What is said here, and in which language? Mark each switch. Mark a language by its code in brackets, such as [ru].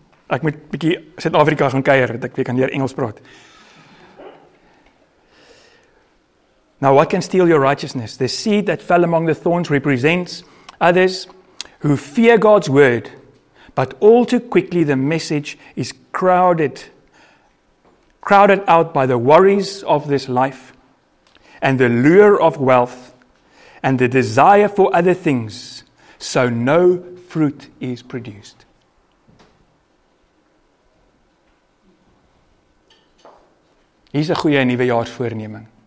[af] Ek moet bietjie Suid-Afrika gaan kuier, dat ek weer kan leer Engels praat. [en] Now, what can steal your righteousness? The seed that fell among the thorns represents others who fear God's word, but all too quickly the message is crowded out by the worries of this life and the lure of wealth and the desire for other things, so no fruit is produced. [af] Hier is 'n goeie nuwejaarsvoorneming.